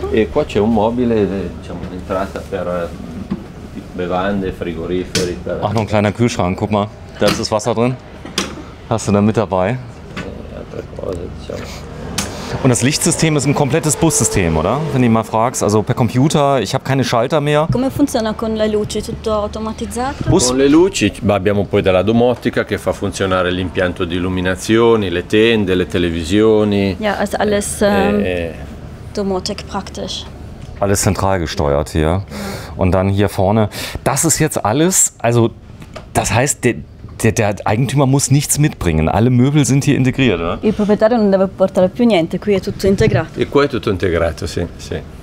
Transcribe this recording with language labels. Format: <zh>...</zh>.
<it>Qua c'è un mobile, diciamo, entrata per bevande, frigoriferi.</it> <de>Ach, noch ein kleiner Kühlschrank, guck mal. Da ist das Wasser drin. Hast du da mit dabei? Und das Lichtsystem ist ein komplettes Bussystem, oder? Wenn du mal fragst, also per Computer, ich habe keine Schalter mehr.</de> <it>Come funziona con le luci? Tutto automatizzato? Bus? Con le luci, ma abbiamo poi della domotica che fa funzionare l'impianto di illuminazioni, le tende, le televisioni.</it> <de>Ja, ist alles Domotik praktisch. Alles zentral gesteuert hier. Und dann hier vorne, das ist jetzt alles, also das heißt, der Eigentümer muss nichts mitbringen. Alle Möbel sind hier integriert, oder?</de> <it>Il proprietario non deve portare più niente, qui è tutto integrato. E qua è tutto integrato, sì, sì.</it>